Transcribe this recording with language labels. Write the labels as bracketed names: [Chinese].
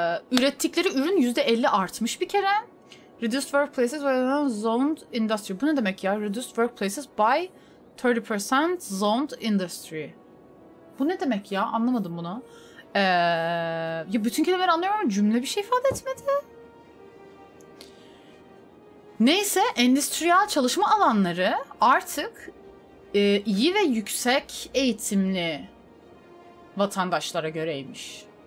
[Turkish] Ürettikleri ürün %50 artmış bir kere. [English] Reduced workplaces by zoned industry. [Turkish] Bu ne demek ya? [English] Reduced workplaces by 30% zoned industry. [Turkish] Bu ne demek ya? Anlamadım bunu. Ya bütün kelimeleri anlıyorum ama cümle bir şey ifade etmedi. Neyse, endüstriyel çalışma alanları artık iyi ve yüksek eğitimli vatandaşlara göreymiş.